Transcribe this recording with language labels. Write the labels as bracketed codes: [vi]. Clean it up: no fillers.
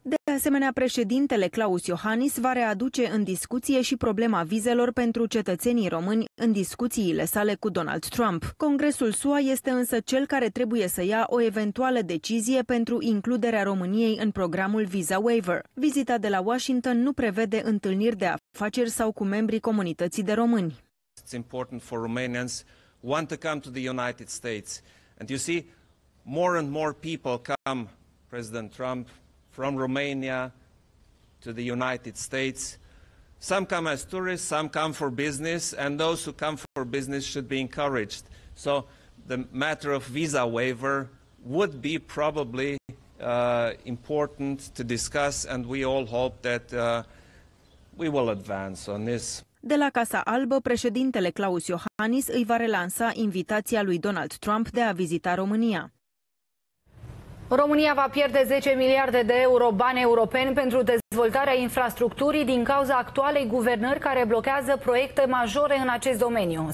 [ro] De asemenea, președintele Klaus Iohannis va readuce în discuție și problema vizelor pentru cetățenii români în discuțiile sale cu Donald Trump. Congresul SUA este însă cel care trebuie să ia o eventuală decizie pentru includerea României în programul Visa Waiver. Vizita de la Washington nu prevede întâlniri de afaceri sau cu membrii comunității de români. [en] It's important for Romanians who want to come to the United States. And you see, more and more people come, President Trump, from Romania to the United States. Some come as tourists, some come for business, and those who come for business should be encouraged. So the matter of visa waiver would be probably important to discuss, and we all hope that we will advance on this. [ro] De la Casa Albă, președintele Klaus Iohannis îi va relansa invitația lui Donald Trump de a vizita România. România va pierde 10 miliarde de euro bani europeni pentru dezvoltarea infrastructurii din cauza actualei guvernări care blochează proiecte majore în acest domeniu.